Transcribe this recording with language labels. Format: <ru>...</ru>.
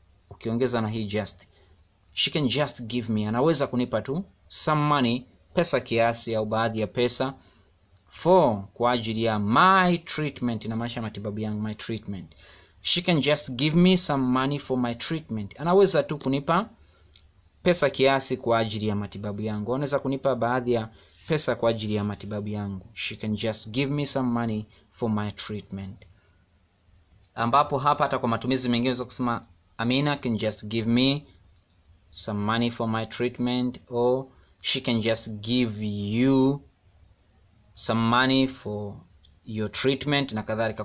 <sw>Ukiongeza na hii just,</sw> <en>she can just give me,</en> <sw>anaweza kunipa tu</sw> <en>some money,</en> <sw>pesa kiasi au baadhi ya pesa. For, kwa ajili ya</sw> <en>my treatment,</en> <sw>inamaanisha matibabu yangu, my treatment.</sw> <en>She can just give me some money for my treatment.</en> <sw>Anaweza tu kunipa pesa kiasi kwa ajili ya matibabu yangu. Anaweza kunipa baadhi ya pesa kwa ajili ya matibabu yangu.</sw> <en>She can just give me some money for my treatment.</en> <sw>Ambapo hapa hata kwa matumizi mengine unaweza kusema</sw> <en>Amina can just give me some money for my treatment, or she can just give you some money for your treatment</en> <sw>na kadhalika.</sw>